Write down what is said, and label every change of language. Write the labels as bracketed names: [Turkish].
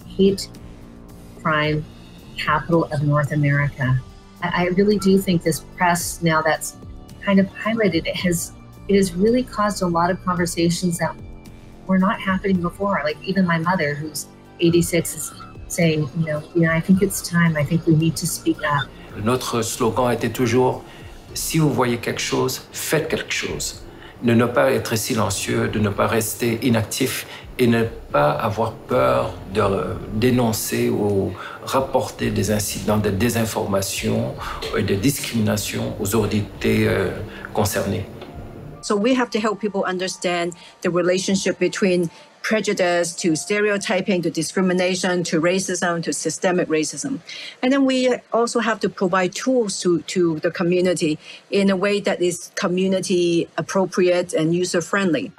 [English] hate crime capital of North America. I really do think this press, now that's kind of highlighted, it has really caused a lot of conversations that were not happening before. Like even my mother, who's 86, is saying, I think it's time. I think we need to speak up. [French] Notre slogan était toujours, si vous voyez quelque chose, faites quelque chose. De ne pas être silencieux, de ne pas rester inactif et ne pas avoir peur de dénoncer ou rapporter des incidents de désinformation et de discrimination aux autorités concernées. [English] So we have to help people understand the relationship between prejudice to stereotyping, to discrimination, to racism, to systemic racism. And then we also have to provide tools to the community in a way that is community appropriate and user friendly.